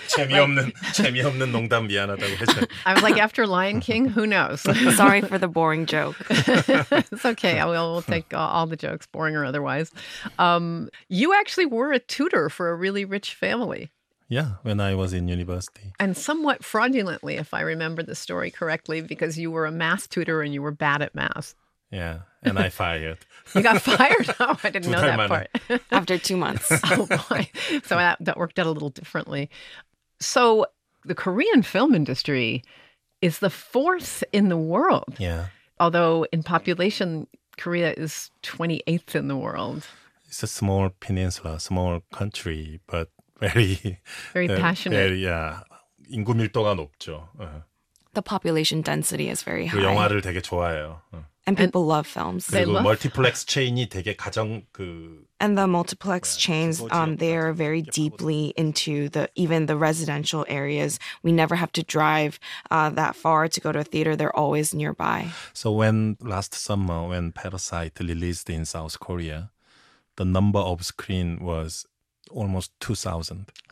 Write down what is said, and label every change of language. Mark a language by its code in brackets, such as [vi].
[ko] 재미없는 농담 미안하다고 했죠. [en] I was like, after Lion King, who knows? Sorry for the boring joke. It's okay. We'll take all the jokes, boring or otherwise. You actually were a tutor for a really rich family. Yeah, when I was in university. And somewhat fraudulently, if I remember the story correctly, because you were a math tutor and you were bad at math. Yeah, and I fired. You got fired? Oh, I didn't know that part. After 2 months. Oh, boy. So that worked out a little differently. So the Korean film industry is the fourth in the world. Yeah. Although in population, Korea is 28th in the world. It's a small peninsula, small country, but very passionate. Yeah. [ko] 인구 밀도가 높죠. [en] The population density is very high. [ko] 영화를 되게 좋아해요. [en] And people and love films. [ko] 그리고 [en] love [ko] 멀티플렉스 체인이 되게 가장 그 [en] And the multiplex chains they are very deeply into the even the residential areas. We never have to drive that far to go to a theater. They're always nearby. So when last summer when Parasite released in South Korea, the number of screen was almost 2,000.